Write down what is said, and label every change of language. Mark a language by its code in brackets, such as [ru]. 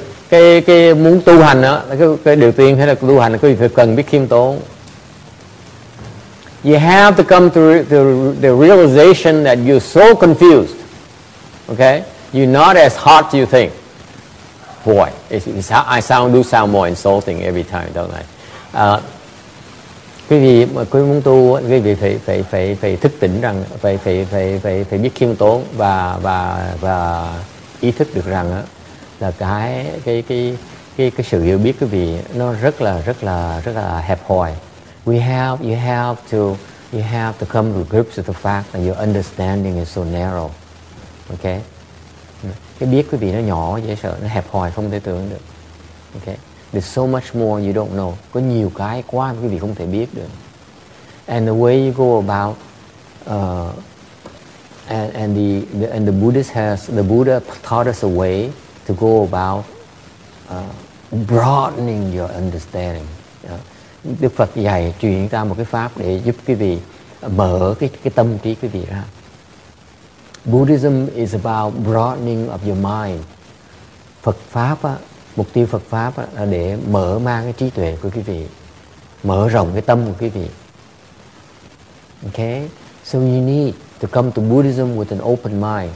[vi] Cái muốn tu hành đó, cái điều tiên hay là tu hành là quý vị phải cần biết khiêm tốn. [en] You have to come to the realization that you're so confused. Okay? You're not as hot as you think. Boy, I sound more insulting every time, don't I? [vi] Quý vị mà quý muốn tu, quý vị phải thức tỉnh rằng phải biết khiêm tốn và ý thức được rằng là cái sự hiểu biết quý vị nó rất là hẹp hòi. [en] You have to come to grips with the fact that your understanding is so narrow. Okay? [vi] Cái biết quý vị nó nhỏ dễ sợ, nó hẹp hòi không thể tưởng được. Okay? [en] There's so much more you don't know. [vi] Có nhiều cái quá quý vị không thể biết được. [en] And the way you go about the Buddha taught us a way to go about broadening your understanding. [vi] Đức Phật dạy truyền ta một cái pháp để giúp quý vị mở cái tâm trí quý vị ra. [en] Buddhism is about broadening of your mind. [vi] Phật pháp á, mục tiêu Phật pháp á, là để mở mang cái trí tuệ của quý vị, mở rộng cái tâm của quý vị. [en] Okay, so you need to come to Buddhism with an open mind.